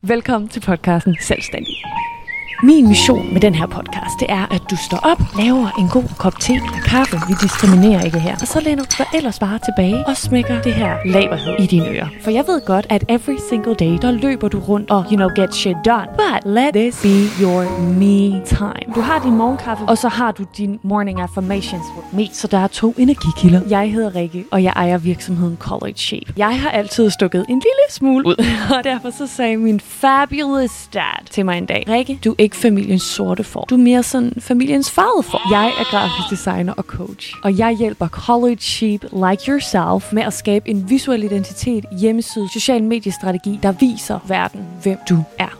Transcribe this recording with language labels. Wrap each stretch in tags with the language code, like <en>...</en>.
<da>Velkommen til podcasten Selvstændig. Min mission med den her podcast, det er, at du står op, laver en god kop te og kaffe. Vi diskriminerer ikke her. Og så læner du dig ellers bare tilbage og smækker det her laberhed i dine ører. For jeg ved godt, at</da> <en>every single day,</en> <da>der løber du rundt og,</da> <en>you know, get shit done. But let this be your me time.</en> <da>Du har din morgenkaffe, og så har du din</da> <en>morning affirmations with me.</en> <da>Så der er to energikilder. Jeg hedder Rikke, og jeg ejer virksomheden College Shape. Jeg har altid stukket en lille smule ud. Og derfor så sagde min</da> <en>fabulous dad</en> <da>til mig en dag, Rikke, du ikke familiens sorte får. Du er mere sådan familiens farvede får. Jeg er grafisk designer og coach, og jeg hjælper</da> <en>college sheep like yourself</en> <da>med at skabe en visuel identitet, hjemmeside, social mediestrategi, der viser verden, hvem du er.</da>